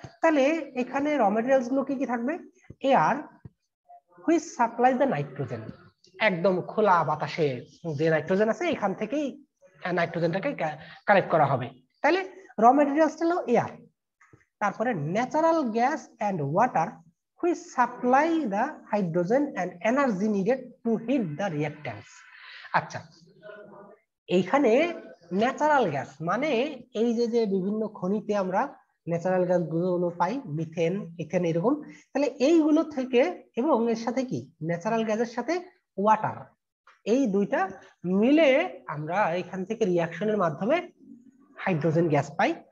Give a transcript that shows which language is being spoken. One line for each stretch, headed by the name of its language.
Bangla: তাহলে এখানে র ম্যাটেরিয়াল গুলো কি কি থাকবে,
English: air which supplies the nitrogen,
Bangla: একদম খোলা বাতাসে যে নাইট্রোজেন আছে এখান থেকেই নাইট্রোজেনটাকে কালেক্ট করা হবে, তাহলে র ম্যাটেরিয়ালস হলো এয়ার। তারপরে
English: Natural gas and water we supply the hydrogen and energy needed to heat the reactants. Acha.
Bangla: এইখানে ন্যাচারাল গ্যাস মানে এই যে যে বিভিন্ন খনিতে আমরা ন্যাচারাল গ্যাস গুলো পাই, মিথেন এখানে এরকম, তাহলে এইগুলো থেকে এবং এর সাথে কি ন্যাচারাল গ্যাসের সাথে ওয়াটার এই দুইটা মিলে আমরা এখান থেকে রিয়াকশনের মাধ্যমে হাইড্রোজেন গ্যাস পাই।